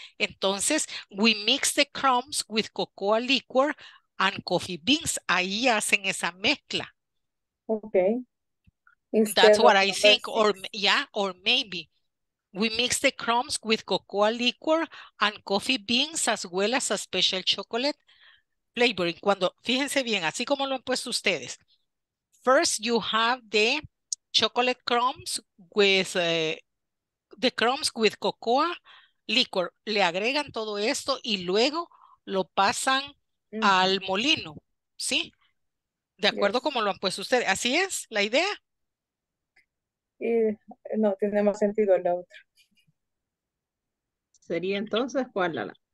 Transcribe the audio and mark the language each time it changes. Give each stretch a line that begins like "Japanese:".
English: Entonces, we mix the crumbs with cocoa liquor and coffee beans,
Spanish: ahí hacen esa mezcla.
English: Okay. That's what I think, or yeah, or maybe. We mix the crumbs with cocoa liquor and coffee beans as well as a special chocolate flavoring.
Spanish: Cuando, fíjense bien, así como lo han puesto ustedes.
English: First, you have the chocolate crumbs with, the crumbs with cocoa liquor.
Spanish: Le agregan todo esto y luego lo pasan al molino, ¿sí? De acuerdo, yes. Como lo han puesto ustedes. ¿Así es la idea? Y no, tiene más sentido la otra. ¿Sería entonces cuál, Lala?